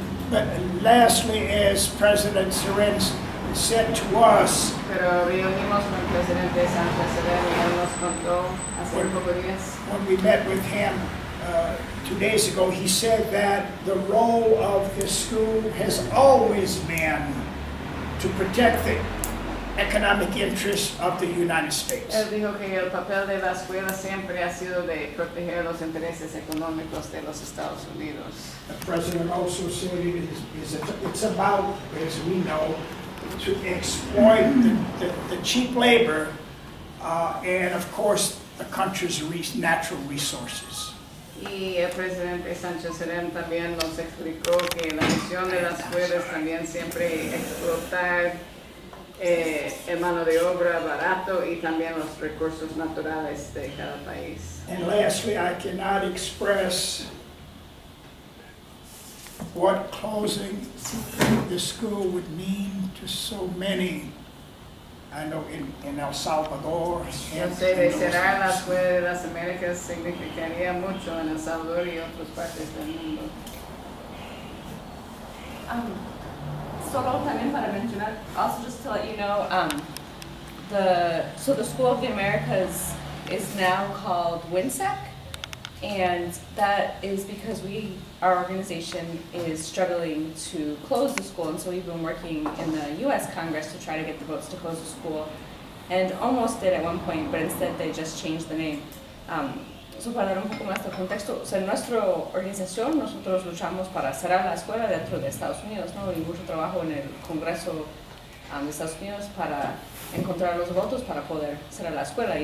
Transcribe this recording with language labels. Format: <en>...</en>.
<en>But lastly, as President Sarens said to us, when we met with him 2 days ago, he said that the role of this school has always been to protect the economic interests of the United States.</en> <es>Él dijo que el papel de la escuela siempre ha sido de proteger los intereses económicos de los Estados Unidos.</es> <en>The president also said it's about, as we know, to exploit the cheap labor and, of course, the country's natural resources.</en> <es>Y el presidente Sánchez Serén también nos explicó que la misión de la escuela es también siempre explotar el mano de obra barato y también los recursos naturales de cada país.</es> <en>And lastly, I cannot express what closing the school would mean to so many, I know, in El Salvador.</en> <es>Cerrar la escuela de las Américas significaría mucho en El Salvador y otras partes del mundo.</es> <en>Also, just to let you know, the School of the Americas is now called WINSEC, and that is because our organization is struggling to close the school, and so we've been working in the U.S. Congress to try to get the votes to close the school, and almost did at one point, but instead they just changed the name.</en> <es>So para dar un poco más de contexto, o sea, en nuestra organización nosotros luchamos para cerrar la escuela dentro de Estados Unidos, ¿no? Y mucho trabajo en el Congreso de Estados Unidos para encontrar los votos para poder cerrar la escuela.</es>